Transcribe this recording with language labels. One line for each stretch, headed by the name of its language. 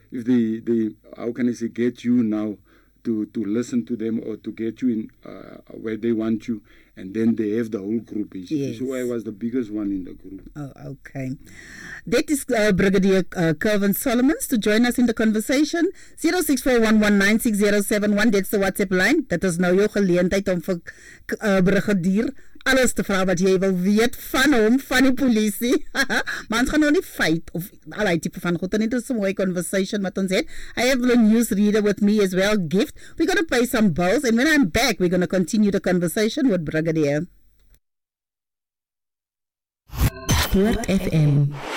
English: If they, how can I say, get you now to listen to them or to get you in where they want you. And then they have the whole group. Yes. So I was the biggest one in the group. Oh, okay. That is Brigadier Kervin Solomons to join us in the conversation. 0641196071. That's the WhatsApp line.
Afrikaans: That is nou jou geleentheid om vir Brigadier alles te vra wat jy wil weet van hom, van die polisie. Maar ons gaan nou nie fight of al die type van goed. En dit is
English: a mooie conversation
Afrikaans: wat ons het.
English: I have a news reader with me as well, Gift. We're going to pay some bills. And when I'm back, we're going to continue the conversation with Brigadier. Sport FM.